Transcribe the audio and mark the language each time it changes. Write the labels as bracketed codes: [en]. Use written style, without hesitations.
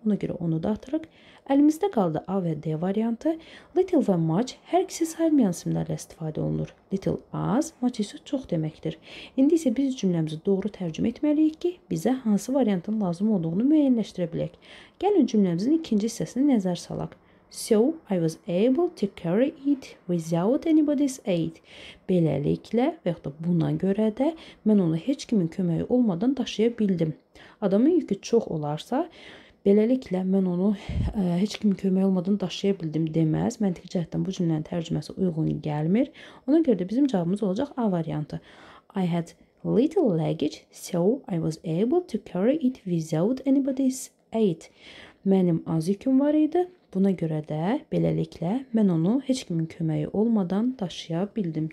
[az] Ona görə onu da atırıq. Əlimizdə qaldı A və D variantı. Little və much hər ikisi sayılmayan simlərlə istifadə olunur. Little az, much isə çox deməkdir. İndi isə biz cümləmizi doğru tərcümə etməliyik ki, bizə hansı variantın lazım olduğunu müəyyənləşdirə bilək. Gəlin cümləmizin ikinci hissəsini nəzər salaq. [en] So, I was able to carry it without anybody's aid. [az] Beləliklə və yaxud da buna görə də mən onu heç kimin köməyi olmadan daşıya bildim. Adamın yükü çox olarsa, beləliklə mən onu heç kimin köməyi olmadan daşıya bildim deməz. Məntiqi cəhətdən bu cümlənin tərcüməsi uyğun gəlmir. Ona görə də bizim cavabımız olacaq A variantı. [en] I had little luggage, so I was able to carry it without anybody's aid. [az] Mənim az yüküm var idi. Buna görə də beləliklə mən onu heç kimin köməyi olmadan daşıya bildim.